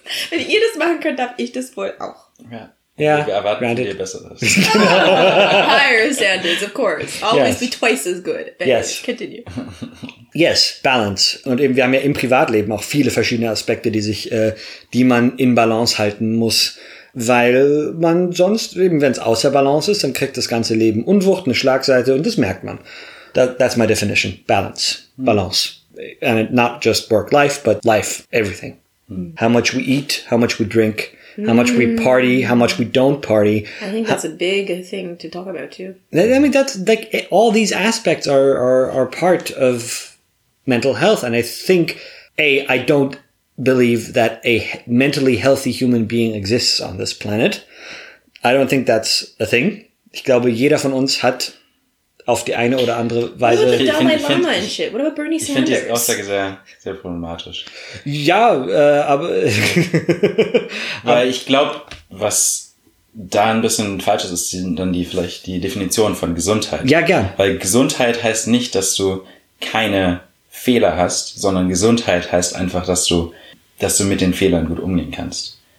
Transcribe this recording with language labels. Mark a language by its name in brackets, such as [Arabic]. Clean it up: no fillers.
[German] Wenn ihr das machen könnt, darf ich das wohl auch. Ja, wir erwarten dir Besseres. [English] Higher standards, of course. Always be twice as good. Yes. Continue. Yes, balance. [German] Und eben, wir haben ja im Privatleben auch viele verschiedene Aspekte, die man in Balance halten muss. Weil man sonst, eben wenn es außer Balance ist, dann kriegt das ganze Leben Unwucht, eine Schlagseite, und das merkt man. [English] That's my definition. Balance. Balance. And not just work-life, but life, everything. How much we eat, how much we drink, how much we party, how much we don't party. I think that's a big thing to talk about too. I mean, that's like all these aspects are part of mental health. And I think, I don't believe that a mentally healthy human being exists on this planet. I don't think that's a thing. [German] Ich glaube, jeder von uns hat auf die eine oder andere Weise... [English] What about Dalai Lama and shit? What about Bernie Sanders? [German] Ich finde die Aussage sehr, sehr problematisch. Ja, aber... Weil ich glaube, was da ein bisschen falsch ist, sind dann vielleicht die Definition von Gesundheit. Ja, gern. Weil Gesundheit heißt nicht, dass du keine Fehler hast, sondern Gesundheit heißt einfach, dass du mit den Fehlern gut umgehen kannst.